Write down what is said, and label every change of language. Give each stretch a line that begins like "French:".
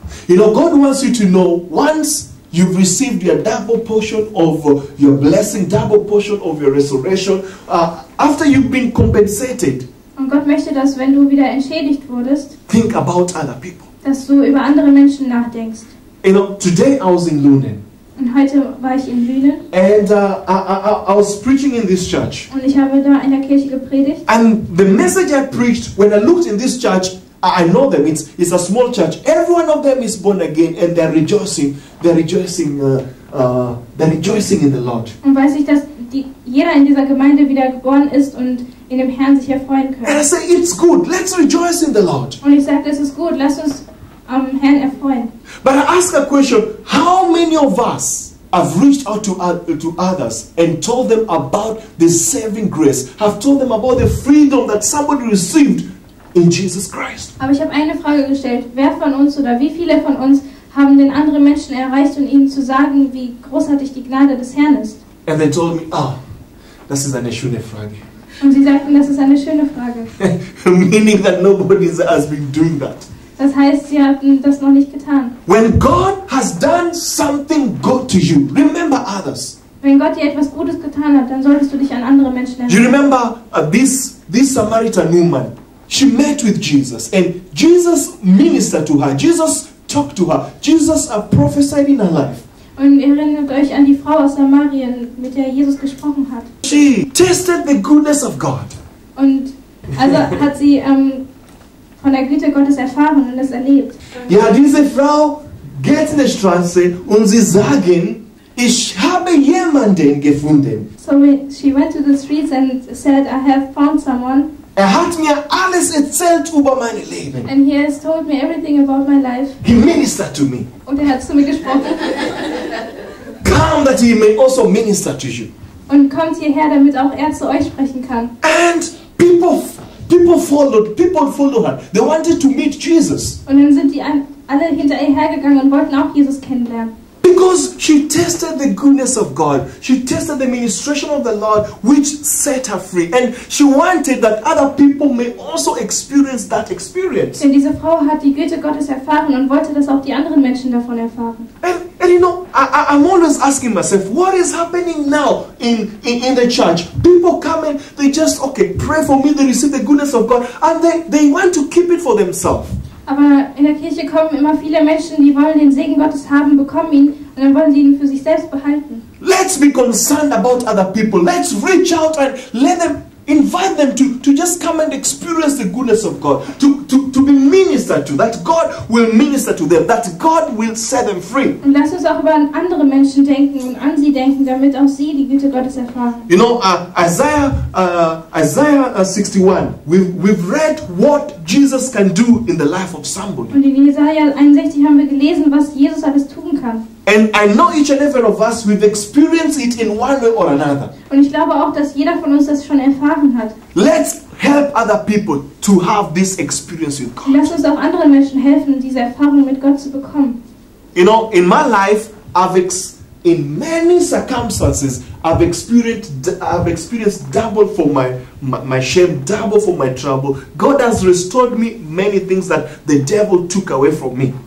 English: You know, God wants you to know, once you've received your double portion of your blessing, double portion of your restoration, after you've been compensated.
German: Und Gott möchte, dass wenn du wieder entschädigt wurdest,
English: think about other people.
German: Dass du über andere Menschen nachdenkst.
English: You know, today I was in Lünen.
German: Und heute war ich in Lünen.
English: And I was preaching in this church.
German: Und ich habe da in der Kirche gepredigt.
English: And the message I preached, when I looked in this church, I know them. It's a small church. Every one of them is born again, and they're rejoicing. They're rejoicing in the Lord.
German: Und weiß ich, dass jeder in dieser Gemeinde wieder geboren ist und in dem Herrn sich erfreuen kann.
English: And I say, it's good. Let's rejoice in the Lord.
German: Und ich sage, es ist gut. Lass uns am Herrn erfreuen.
English: But I ask a question: how many of us have reached out to others and told them about the saving grace? Have told them about the freedom that somebody received in Jesus Christ.
German: Aber ich habe eine Frage gestellt. Wer von uns oder wie viele von uns haben den anderen Menschen erreicht, um ihnen zu sagen, wie großartig die Gnade des Herrn ist?
English: And they told me, oh,
German: das ist eine schöne Frage. Und sie sagten, das ist eine schöne Frage.
English: Meaning that nobody has been doing that.
German: Das heißt, sie hatten das noch nicht getan.
English: When God has done something good to you, remember others.
German: Wenn Gott dir etwas Gutes getan hat, dann solltest du dich an andere Menschen erinnern.
English: Do you remember this Samaritan woman? She met with Jesus and Jesus ministered to her. Jesus talked to her. Jesus prophesied in her life.
German: Und erinnert euch an die Frau aus Samarien, mit der Jesus gesprochen hat.
English: She tested the goodness of God.
German: Und also hat sie von der Güte Gottes erfahren und es erlebt. Und ja, diese Frau geht in die Straße und sie sagen, ich habe jemanden gefunden.
English: So she went to the streets and said, I have found someone.
German: Er hat mir alles erzählt über mein Leben.
English: And he has told me everything about my life. He ministered to me.
German: Und hat zu mir gesprochen.
English: Come that he may also minister to you.
German: Und kommt hierher, damit auch zu euch sprechen kann.
English: And people followed her. They wanted to meet Jesus.
German: Und dann sind die alle hinter ihr hergegangen und wollten auch Jesus kennenlernen.
English: Because she tested the goodness of God. She tested the ministration of the Lord, which set her free. And she wanted that other people may also experience that experience.
German: Denn diese Frau hat die Güte Gottes erfahren und wollte, dass auch die anderen Menschen davon erfahren.
English: And you know, I'm always asking myself, what is happening now in the church? People come in, they just, okay, pray for me, they receive the goodness of God, and they want to keep it for themselves.
German: Aber in der Kirche kommen immer viele Menschen, die wollen den Segen Gottes haben, bekommen ihn und dann wollen sie ihn für sich selbst behalten.
English: Let's be concerned about other people. Let's reach out and let them invite them to just come and experience the goodness of God, to be ministered to, that God will minister to them, that God will set them free.
German: Und lass uns auch über andere Menschen denken und an sie denken, damit auch sie die Güte Gottes erfahren.
English: You know, Isaiah 61, we've read what Jesus can do in the life of somebody.
German: Und in Jesaja 61 haben wir gelesen, was Jesus alles tun kann.
English: And I know each and every of us, we've experienced it in one way or another.
German: Und ich glaube auch, dass jeder von uns das schon erfahren hat.
English: Let's help other people to have this experience with God.
German: Lass uns auch anderen Menschen helfen, diese Erfahrung mit Gott zu bekommen.
English: You know, in my life, in many circumstances, I've experienced double for my shame, double for my trouble. God has restored me many things that the devil took away from me.